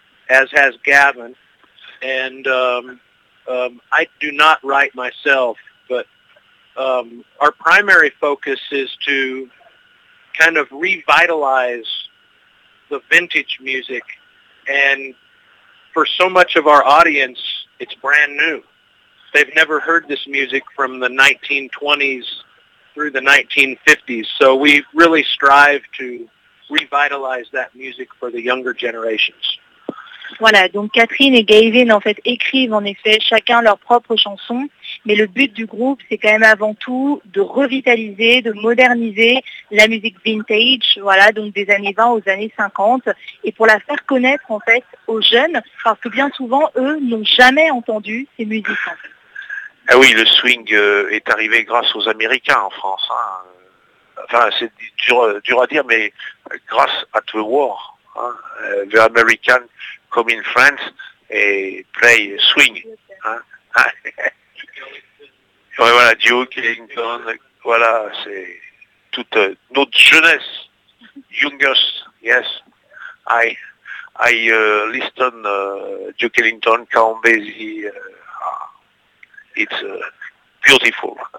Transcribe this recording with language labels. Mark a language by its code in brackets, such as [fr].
[en] As has Gavin, and I do not write myself, but our primary focus is to kind of revitalize the vintage music, and for so much of our audience, it's brand new. They've never heard this music from the 1920s through the 1950s, so we really strive to revitalize that music for the younger generations. [fr] Voilà, donc Catherine et Gavin en fait écrivent en effet chacun leurs propres chansons, mais le but du groupe c'est quand même avant tout de revitaliser, de moderniser la musique vintage, voilà, donc des années 20 aux années 50, et pour la faire connaître en fait aux jeunes, parce que bien souvent eux n'ont jamais entendu ces musiques. Ah oui, le swing est arrivé grâce aux Américains en France, hein. Enfin c'est dur à dire, mais grâce à [en] The War, [fr] hein, [en] The American... come in France et play swing. Hein? [fr] Ouais, voilà, Duke Ellington, voilà, c'est toute notre jeunesse, [en] youngest, yes. I listen Duke Ellington, Count Basie, it's beautiful.